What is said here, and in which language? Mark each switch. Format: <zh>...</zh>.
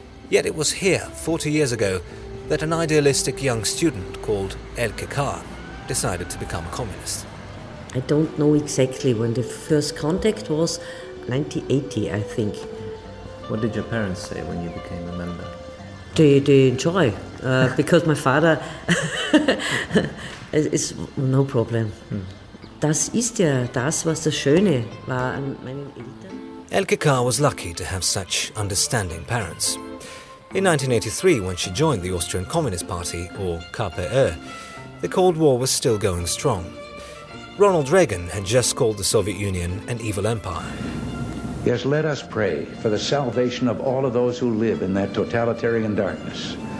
<en>Yet it was here, 40 years ago, that an idealistic young student called Elke Kahr decided to become a communist. I don't know exactly when the first contact was, 1980, I think. What did your parents say when you became a member? They enjoy, because my father is no problem.</en> <de>Das ist ja das, was das Schöne war an meinen Eltern.</de> <en>Elke Kahr was lucky to have such understanding parents. In 1983, when she joined the Austrian Communist Party, or KPÖ, the Cold War was still going strong. Ronald Reagan had just called the Soviet Union an evil empire. Yes, let us pray for the salvation of all of those who live in that totalitarian darkness.</en>